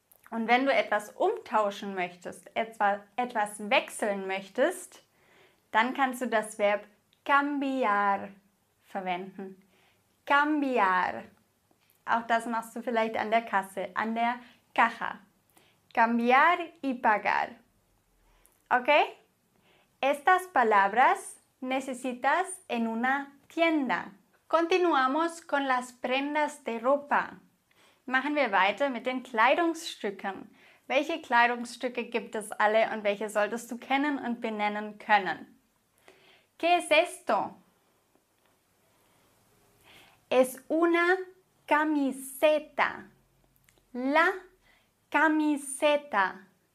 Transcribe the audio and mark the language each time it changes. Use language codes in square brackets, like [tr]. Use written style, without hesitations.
[de] Und wenn du etwas umtauschen möchtest, etwas wechseln möchtest, dann kannst du das Verb cambiar verwenden. Cambiar. Auch das machst du vielleicht an der Kasse, an der Caja. [es] Cambiar y pagar. Okay? Estas palabras necesitas en una tienda. Continuamos con las prendas de ropa. [de] Machen wir weiter mit den Kleidungsstücken. Welche Kleidungsstücke gibt es alle und welche solltest du kennen und benennen können? [es] ¿Qué es esto? Es una camiseta. La camiseta.